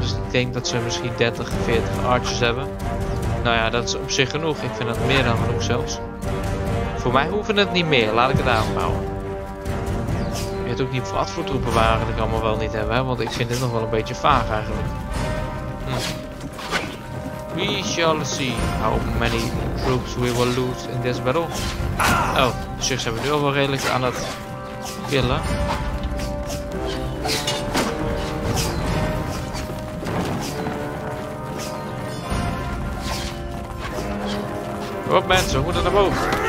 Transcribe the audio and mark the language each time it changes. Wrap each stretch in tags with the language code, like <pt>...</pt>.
<nl>Dus ik denk dat ze misschien 30, 40 archers hebben. Nou ja, dat is op zich genoeg. Ik vind dat meer dan genoeg zelfs. Voor mij hoeven het niet meer. Laat ik het daarop houden. Ik weet ook niet wat voor troepen we eigenlijk allemaal wel niet hebben, hè? Want ik vind dit nog wel een beetje vaag eigenlijk.</nl> <en>We shall see how many troops we will lose in this battle.</en> <nl>Oh, de Zucht hebben we nu al wel redelijk aan het killen. Hop mensen, we moeten naar boven.</nl>